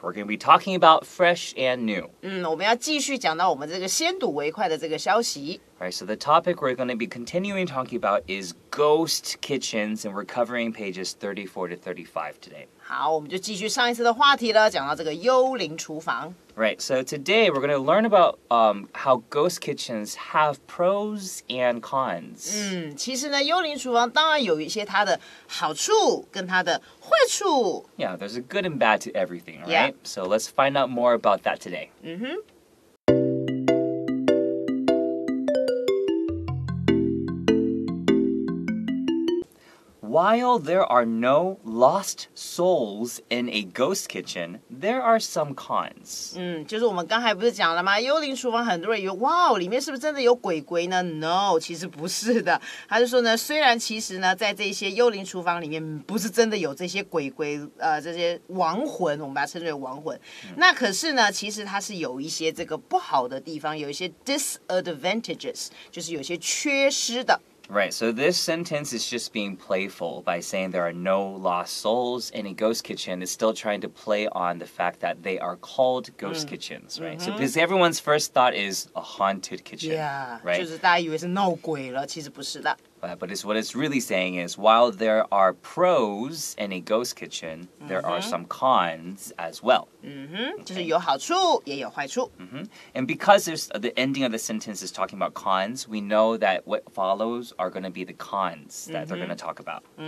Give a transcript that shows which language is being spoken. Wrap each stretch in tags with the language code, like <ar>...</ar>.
<en>We're going to be talking about fresh and new.</en> <zh>我们要继续讲到我们这个先睹为快的这个消息。</zh> <en>Alright, so the topic we're going to be continuing talking about is ghost kitchens, and we're covering pages 34 to 35 today.</en> <zh>好，我们就继续上一次的话题了，讲到这个幽灵厨房。</zh> <en>Right, so today we're going to learn about how ghost kitchens have pros and cons.</en> <zh>其实呢，幽灵厨房当然有一些它的好处跟它的坏处。</zh> <en>Yeah, there's a good and bad to everything, right? Yeah. So let's find out more about that today. Mm-hmm. While there are no lost souls in a ghost kitchen, there are some cons.</en> <zh>就是我们刚才不是讲了吗？幽灵厨房很多人以为，哇哦，里面是不是真的有鬼鬼呢 ？No， 其实不是的。他就说呢，虽然其实呢，在这些幽灵厨房里面不是真的有这些鬼鬼，这些亡魂，我们把它称之为亡魂。那可是呢，其实它是有一些这个不好的地方，有一些 disadvantages， 就是有些缺失的。</zh> <en>Right, so this sentence is just being playful by saying there are no lost souls, and a ghost kitchen is still trying to play on the fact that they are called ghost kitchens, right? So because everyone's first thought is a haunted kitchen, yeah, right?</en> <zh>就是大家以为是闹鬼了，其实不是的。</zh> <en>But it's, what it's really saying is, while there are pros in a ghost kitchen, there are some cons as well.</en> <zh>Okay. 就是有好处也有坏处。</zh> <en>And because there's, the ending of the sentence is talking about cons, we know that what follows are going to be the cons that they're going to talk about.</en>